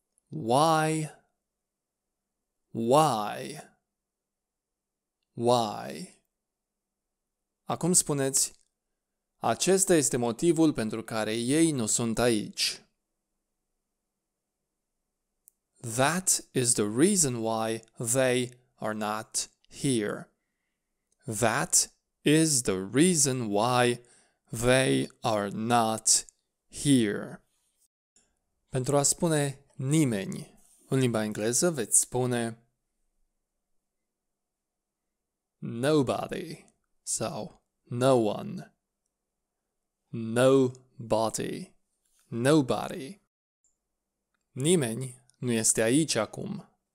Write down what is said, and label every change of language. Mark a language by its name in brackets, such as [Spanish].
[English] why. Why? Why? [Romanian] Acum spuneți, acesta este motivul pentru care ei nu sunt aici. [English] That is the reason why they are not here. That is the reason why they are not here. [Romanian] Pentru a spune nimeni, în limba engleză veți spune [English] nobody. So, no one. Nobody. [Romanian] Nobody. Nimeni nu este aici acum.